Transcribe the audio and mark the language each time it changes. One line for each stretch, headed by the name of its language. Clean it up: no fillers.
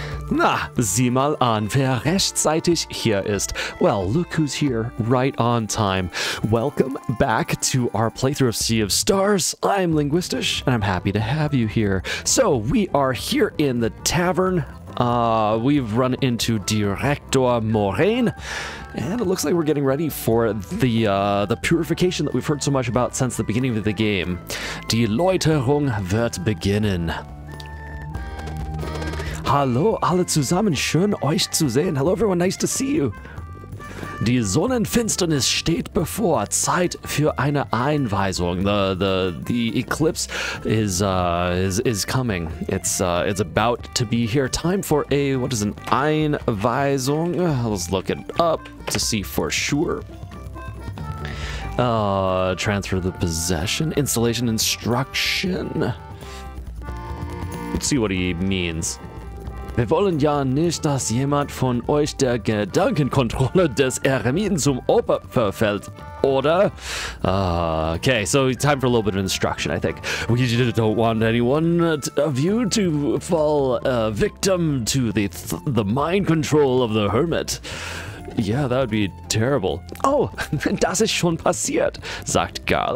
German: Na, sieh mal an, wer rechtzeitig hier ist.
English: Well, look who's here, right on time. Welcome back to our playthrough of Sea of Stars. I'm Linguistish, and I'm happy to have you here. So, we are here in the tavern. We've run into Director Moraine, and it looks like we're getting ready for the purification that we've heard so much about since the beginning of the game.
German: Die Läuterung wird beginnen. Hallo alle zusammen, schön euch zu sehen.
English: Hello everyone, nice to see you.
German: Die Sonnenfinsternis steht bevor. Zeit für eine Einweisung.
English: The eclipse is coming. It's about to be here. Time for a, what is an Einweisung? Let's look it up to see for sure. Transfer the possession, installation instruction. Let's see what he means.
German: Wir wollen ja nicht, dass jemand von euch der Gedankenkontrolle des Eremiten zum Opfer verfällt, oder?
English: Okay, so time for a little bit of instruction, I think. We don't want anyone of you to fall victim to the mind control of the hermit. Yeah, that would be terrible.
German: Oh, das ist schon passiert, sagt Garl.